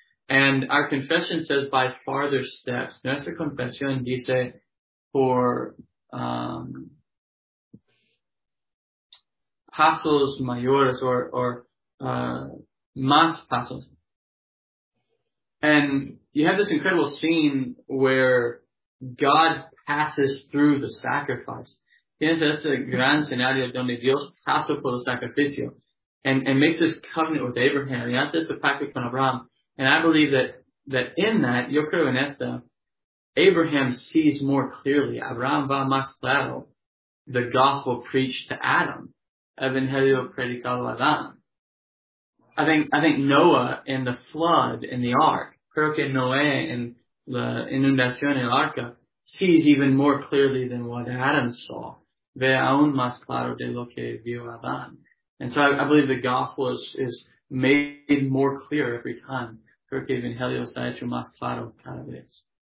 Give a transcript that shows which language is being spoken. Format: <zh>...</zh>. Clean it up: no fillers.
<en>And our confession says by farther steps.</en> <es>Nuestra confesión dice por pasos mayores más pasos.</es> <en>And you have this incredible scene where God passes through the sacrifice.</en> <es>Tienes este gran escenario donde Dios pasa por el sacrificio</es> <en>and makes this covenant with Abraham.</en> <es>Y hace este pacto con Abraham.</es> <en>And I believe that in that,</en> <es>yo creo en esta,</es> <en>Abraham sees more clearly.</en> <es>Abraham va más claro.</es> <en>The gospel preached to Adam.</en> <es>Evangelio predicado a Adam.</es> <en>I think Noah in the flood in the ark.</en> <es>Creo que Noé en la inundación en el arca</es> <en>sees even more clearly than what Adam saw.</en> <es>Ve aún más claro de lo que vio Adán.</es> <en>And so I believe the gospel is made more clear every time.</en> <es>Creo que Evangelio está hecho más claro cada vez.</es>